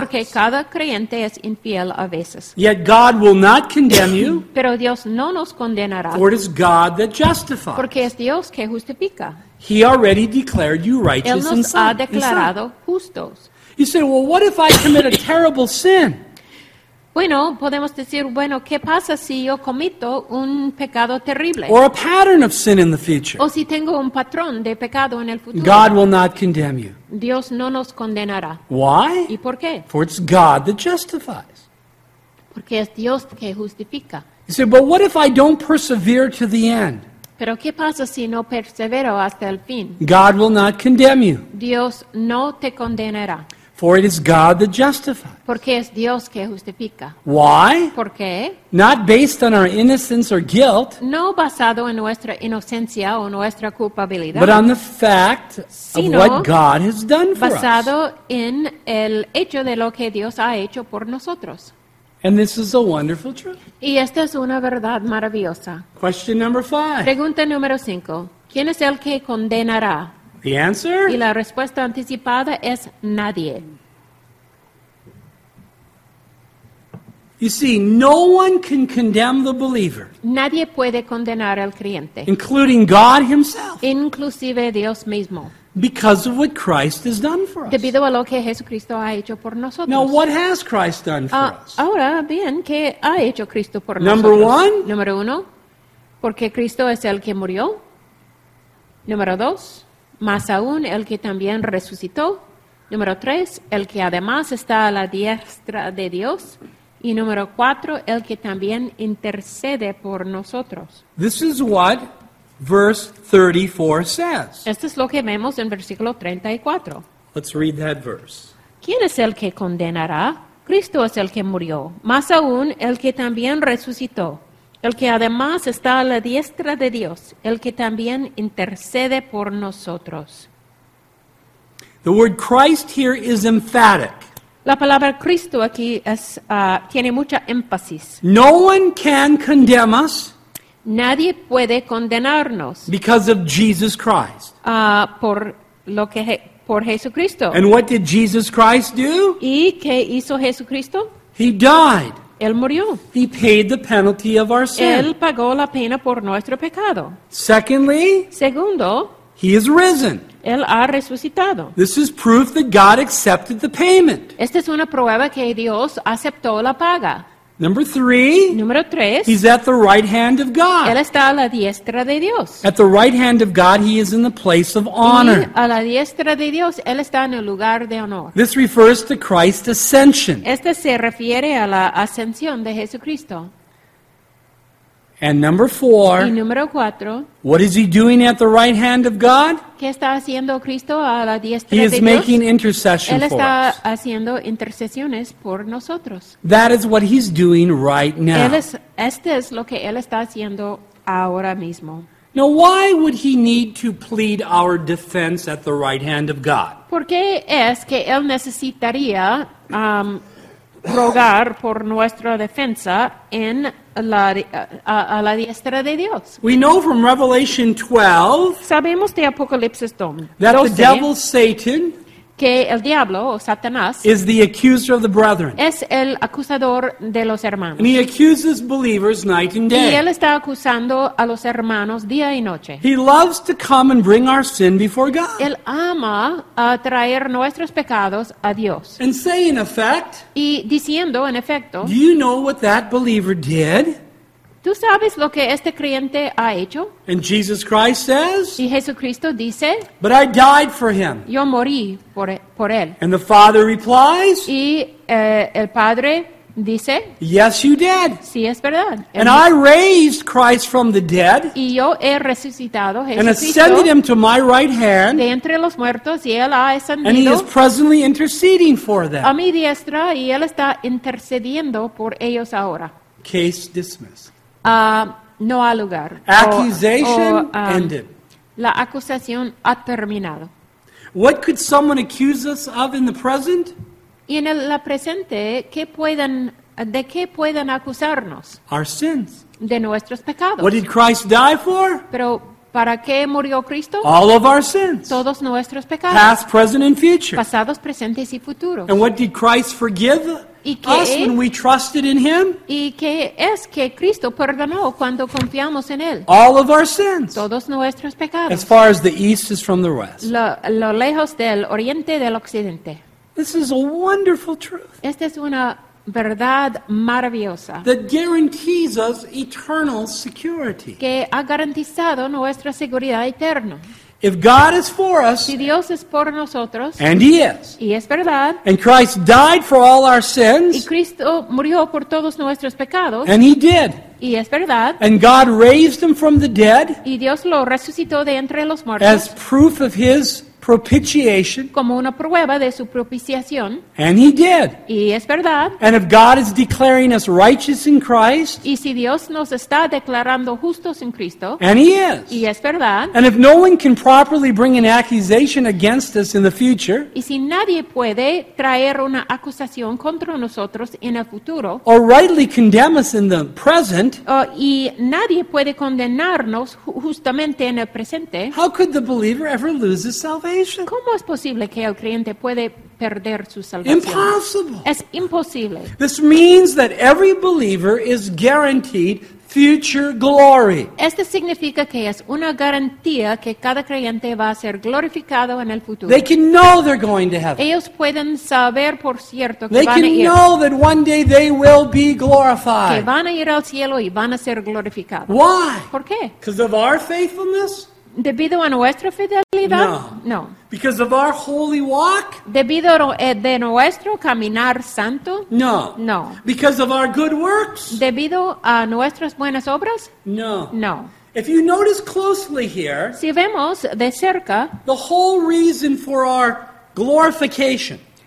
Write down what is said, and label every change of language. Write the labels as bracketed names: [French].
[Spanish] Porque cada creyente es infiel a veces. [English] Yet God will not condemn you. [Spanish] Pero Dios no nos condenará. [English] For it is God that justifies. [Spanish] Porque es Dios que justifica. [English] He already declared you righteous [Spanish] Él nos [English] and sin, [Spanish] ha declarado [English] and [Spanish] justos. [English] You say, well, what if I commit a terrible sin? [Spanish] Bueno, podemos decir, bueno, ¿qué pasa si yo cometo un pecado terrible? [English] Or a pattern of sin in the future. [Spanish] O si tengo un patrón de pecado en el futuro. [English] God will not condemn you. [Spanish] Dios no nos condenará. [English] Why? [Spanish] ¿Y por qué? [English] For it's God that justifies. [Spanish] Porque es Dios que justifica. [English] You say, but what if I don't persevere to the end? [Spanish] Pero ¿qué pasa si no persevero hasta el fin? [English] God will not condemn you. [Spanish] Dios no te condenará. [English] For it is God that justifies. [Spanish] Porque es Dios que justifica. [English] Why? [Spanish] ¿Por qué? [English] Not based on our innocence or guilt. [Spanish] No basado en nuestra inocencia o nuestra culpabilidad. [English] But on the fact of what God has done for [Spanish] basado [English] us. [Spanish] Basado en el hecho de lo que Dios ha hecho por nosotros. [English] And this is a wonderful truth. [Spanish] Y esta es una verdad maravillosa. [English] Question number 5. [Spanish] Pregunta número 5. ¿Quién es el que condenará? [English] The answer? [Spanish] Y la respuesta anticipada es nadie. [English] You see, no one can condemn the believer. [Spanish] Nadie puede condenar al creyente. [English] Including God himself. [Spanish] Inclusive Dios mismo. [English] Because of what Christ has done for us. [Spanish] Debido a lo que Jesucristo ha hecho por nosotros. [English] Now, what has Christ done for us? [Spanish] Ahora bien, ¿qué ha hecho Cristo por [English] Number [Spanish] nosotros? [English] One? [Spanish] Número uno, porque Cristo es el que murió. Número dos, más aún el que también resucitó. Número tres, el que además está a la diestra de Dios. Y número cuatro, el que también intercede por nosotros. [English] This is what verse 34 says. [Spanish] Esto es lo que vemos en versículo 34. [English] Let's read that verse. [Spanish] ¿Quién es el que condenará? Cristo es el que murió. Más aún el que también resucitó. El que además está a la diestra de Dios, el que también intercede por nosotros. [English] The word Christ here is emphatic. [Spanish] La palabra Cristo aquí es, tiene mucha énfasis. [English] No one can condemn us. [Spanish] Nadie puede condenarnos. [English] Because of Jesus Christ. [Spanish] Por Jesucristo. [English] And what did Jesus Christ do? [Spanish] ¿Y qué hizo Jesucristo? [English] He died. [Spanish] Él murió. [English] He paid the penalty of our sin. [Spanish] Él pagó la pena por nuestro pecado. [English] Secondly, [Spanish] segundo, [English] he is risen. [Spanish] Él ha resucitado. [English] This is proof that God accepted the payment. [Spanish] Esta es una prueba que Dios aceptó la paga. [English] Number three, [Spanish] número tres, [English] he's at the right hand of God. [Spanish] Él está a la diestra de Dios. [English] At the right hand of God, he is in the place of honor. [Spanish] Y a la diestra de Dios, él está en el lugar de honor. [English] This refers to Christ's ascension. [Spanish] Este se refiere a la ascensión de Jesucristo. [English] And number four, [Spanish] y número cuatro, [English] what is he doing at the right hand of God? [Spanish] ¿Qué está haciendo Cristo a la diestra [English] he [Spanish] de [English] is [Spanish] Dios? [English] Making intercession [Spanish] él [English] for [Spanish] está [English] us. [Spanish] Haciendo intercesiones por nosotros. [English] That is what he's doing right now. [Spanish] Este es lo que él está haciendo ahora mismo. [English] Now, why would he need to plead our defense at the right hand of God? [Spanish] ¿Por qué es que él necesitaría rogar por nuestra defensa en a la diestra de Dios? [English] We know from Revelation 12, [Spanish] sabemos de Apocalipsis 12, [English] that the devil Satan, [Spanish] que el diablo o Satanás, [English] is the accuser of the brethren. [Spanish] Es el acusador de los hermanos. [English] And he accuses believers night and day. [Spanish] Y él está acusando a los hermanos día y noche. [English] He loves to come and bring our sin before God. [Spanish] Él ama traer nuestros pecados a Dios. [English] And say in effect, [Spanish] y diciendo en efecto, [English] do you know what that believer did? [Spanish] ¿Tú sabes lo que este creyente ha hecho? [English] And Jesus Christ says, [Spanish] y Jesucristo dice, [English] but I died for him. [Spanish] Yo morí por él. [English] And the Father replies, [Spanish] y el Padre dice, [English] yes, you did. [Spanish] Sí, es verdad. [English] And I raised Christ from the dead, [Spanish] y yo he resucitado Jesucristo, [English] and ascended him to my right hand, [Spanish] de entre los muertos, y él ha ascendido, [English] and he is presently interceding for them. [Spanish] A mi diestra, y él está intercediendo por ellos ahora. [English] Case dismissed. [Spanish] No ha lugar. [English] Accusation ended. [Spanish] La acusación ha terminado. [English] What could someone accuse us of in the present? [Spanish] Y en la presente, ¿de qué pueden acusarnos? [English] Our sins. [Spanish] De nuestros pecados. [English] What did Christ die for? [Spanish] Pero ¿para qué murió Cristo? [English] All of our sins. [Spanish] Todos nuestros pecados. [English] Past, present, and future. [Spanish] Pasados, presentes y futuros. [English] And what did Christ forgive? Us when we trusted in him? [Spanish] ¿Y qué es que Cristo perdonó cuando confiamos en él? [English] All of our sins. [Spanish] Todos nuestros pecados. [English] As far as the east is from the west. [Spanish] Lo lejos del oriente del occidente. [English] This is a wonderful truth. [Spanish] Esta es una verdad maravillosa. [English] That guarantees us eternal security. [Spanish] Que ha garantizado nuestra seguridad eterna. [English] If God is for us, [Spanish] si Dios es por nosotros, [English] and he is, [Spanish] y es verdad, [English] and Christ died for all our sins, [Spanish] y Cristo murió por todos nuestros pecados, [English] and he did, [Spanish] y es verdad, [English] and God raised him from the dead, [Spanish] y Dios lo resucitó de entre los muertos, [English] as proof of his propitiation. [Spanish] Como una prueba de su propiciación. [English] And he did. [Spanish] Y es verdad. [English] And if God is declaring us righteous in Christ. [Spanish] Y si Dios nos está declarando justos en Cristo. [English] And he is. [Spanish] Y es verdad. [English] And if no one can properly bring an accusation against us in the future. [Spanish] Y si nadie puede traer una acusación contra nosotros en el futuro. [English] Or rightly condemn us in the present. [Spanish] Y nadie puede condenarnos justamente en el presente. [English] How could the believer ever lose his salvation? [Spanish] ¿Cómo es posible que el creyente puede perder su salvación? [English] Impossible. [Spanish] Es imposible. [English] This means that every believer is guaranteed future glory. [Spanish] Esto significa que es una garantía que cada creyente va a ser glorificado en el futuro. [English] They can know they're going to heaven. [Spanish] Ellos pueden saber por cierto que [English] they [Spanish] van a ir. [English] They can know that one day they will be glorified. [Spanish] Que van a ir al cielo y van a ser glorificados. [English] Why? [Spanish] ¿Por qué? [English] Because of our faithfulness? [Spanish] ¿Debido a nuestra fidelidad? [English] No. [Spanish] No. [English] Because of our holy walk? [Spanish] ¿Debido de nuestro caminar santo? [English] No. [Spanish] No. [English] Because of our good works? [Spanish] ¿Debido a nuestras buenas obras? [English] No. [Spanish] No. [English] If you notice closely here, [Spanish] si vemos de cerca, [English] the whole reason for our glorification,